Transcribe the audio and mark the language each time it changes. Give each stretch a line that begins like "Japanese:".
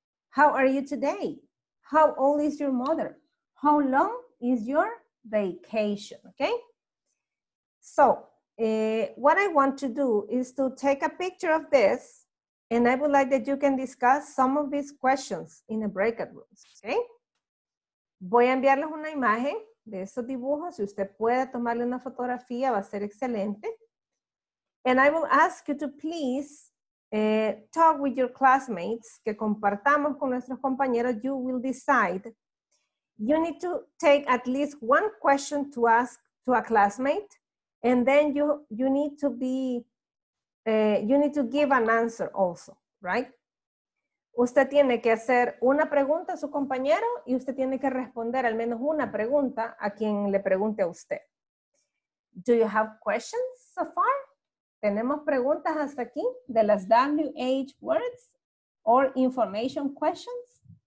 English: How are you today? How old is your mother? How long is your vacation, okay? So, what I want to do is to take a picture of this, and I would like that you can discuss some of these questions in the breakout rooms, okay?
Spanish: Voy a enviarles una imagen de esos dibujos. Si usted puede tomarle una fotografía, va a ser excelente.
English: And I will ask you to please talk with your classmates,
Spanish: que compartamos con nuestros compañeros.
English: You will decide. You need to take at least one question to ask to a classmate, and then you need to give an answer also, right?
Spanish: Usted tiene que hacer una pregunta a su compañero y usted tiene que responder al menos una pregunta a quien le pregunte a usted.
English: Do you have questions so far?
Spanish: ¿Tenemos preguntas hasta aquí de las
English: WH words or information questions?